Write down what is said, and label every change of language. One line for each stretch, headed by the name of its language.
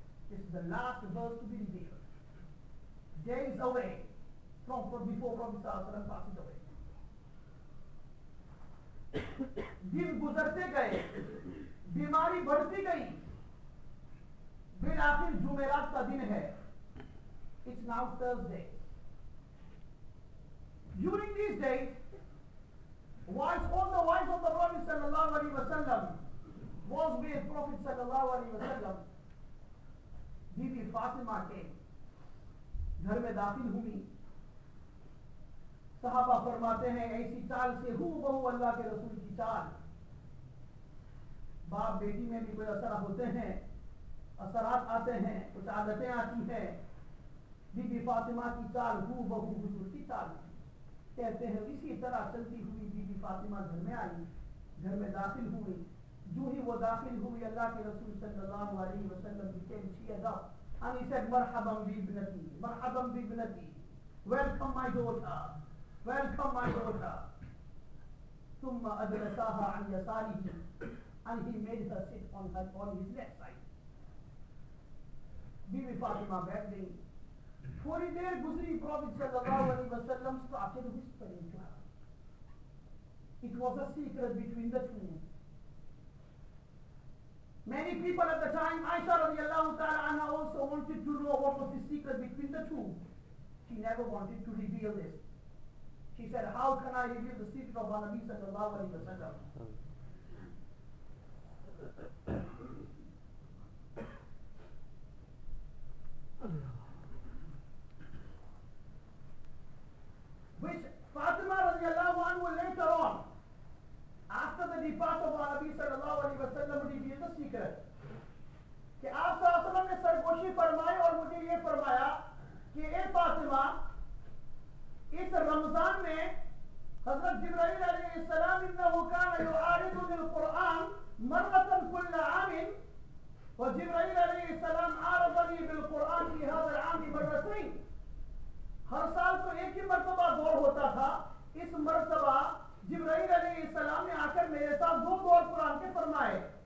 English: It's the last verse to be revealed. Days away from before Prophet صلی اللہ علیہ وسلم passed away.
Urdu: دن گزرتے گئے، بیماری بڑھتی گئی، بالآخر جمعرات کا دن ہے.
English: It's now Thursday. During these days, whilst all the wives of the Prophet sallallahu alayhi wa sallam was with Prophet sallallahu alayhi wa sallam, Bibi Fatima came.
Urdu: گھر میں داخل ہوئی. صحابہ فرماتے ہیں ایسی چال سے ہو بہو اللہ کے رسول کی چال. باپ بیٹی میں بھی کوئی اثر ہوتے ہیں، اثرات آتے ہیں، کچھ عادتیں آتی ہیں. بی بی فاطمہ کی چال ہو بہو حضور کی چال کہتے ہیں. اسی طرح چلتی ہوئی بی بی فاطمہ گھر میں آئی، گھر میں داخل ہوئی. جو ہی وہ داخل ہوئی اللہ کے رسول صلی اللہ علیہ وسلم بکیم چھیدہ
English: and he said
Arabic: مرحبا بی بنتی،
English: Welcome my daughter, welcome my daughter.
Arabic: ثم ادرساها عن یسارہ
English: and he made her sit on her on his left side. Bibi Fatima bent down.
Urdu: Thodi der guzri,
English: Prophet sallallahu alaihi wasallam started whispering to her. It was a secret between the two. Many people at the time, Aisha radiallahu ta'ala anha also wanted to know what was the secret between the two. She never wanted to reveal this. She said, how can I reveal the secret of Nabi sallallahu alayhi wa sallam? Which Fatima radiallahu anhu later on, after the departure of Nabi sallallahu alayhi wa sallam, revealed the secret.
Urdu: کہ آپ صلی اللہ علیہ وسلم نے سرگوشی فرمائی اور مجھے یہ فرمایا کہ اے فاطمہ اس رمضان میں حضرت جبرائیل علیہ السلام
Arabic: انہو کان یعارض بالقرآن مرتا کل عام
Urdu: و جبرائیل علیہ السلام
Arabic: عارضنی بالقرآن
Urdu: کی حاضر عام کی مرتین ہر سال تو ایک ہی مرتبہ دور ہوتا تھا اس مرتبہ جبرائیل علیہ السلام نے آ کر میرے ساتھ دو دور قرآن کے فرمائے